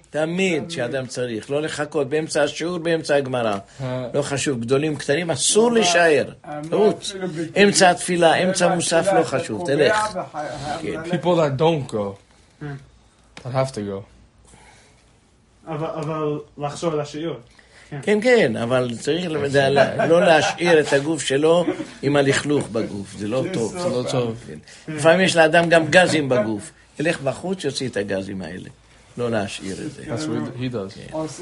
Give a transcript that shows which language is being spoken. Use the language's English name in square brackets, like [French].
[Hebrew] תמיד שאדם צריך, לא לחכות, באמצע השיעור, באמצע הגמרא. לא חשוב, גדולים, קטנים, אסור להישאר. חוץ, אמצע התפילה, אמצע מוסף, לא חשוב, תלך. [English] People that don't go, that have to go. [Hebrew] אבל לחשוב על השיעור. כן, כן, אבל צריך לא להשאיר את הגוף שלו עם הלכלוך בגוף, זה לא טוב. זה לא טוב. לפעמים יש לאדם גם גזים בגוף. ילך בחוץ, יוציא את הגזים האלה. לא להשאיר את זה. [English] That's what he does.